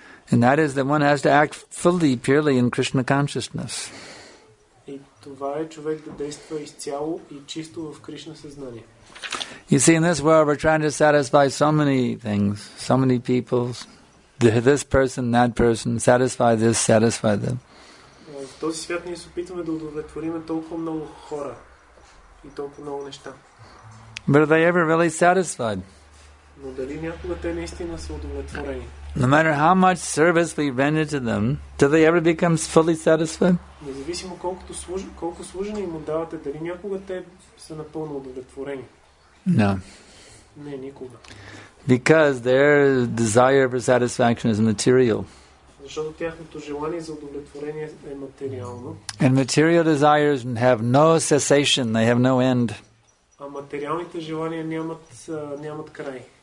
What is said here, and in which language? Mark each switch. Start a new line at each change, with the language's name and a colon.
English: And that is that one has to act fully, purely in Krishna consciousness. You see, in this world we're trying to satisfy so many things, so many people, this person, that person, satisfy this, satisfy them.
Bulgarian: В този свят ние се опитваме да удовлетворим толкова много хора и толкова много неща.
English: But are they ever really satisfied?
Bulgarian: Но дали някога те наистина са удовлетворени?
English: No matter how much service we render to them, do they ever become fully satisfied?
Bulgarian: Независимо колко служене им отдавате, дали някога те са напълно удовлетворени?
English: No.
Bulgarian: Не, никога.
English: Because their desire for satisfaction is material.
Bulgarian: Защото тяхното желание за удовлетворение е материално.
English: And material desires have no cessation, they have no end.
Bulgarian: А материалните желания нямат край.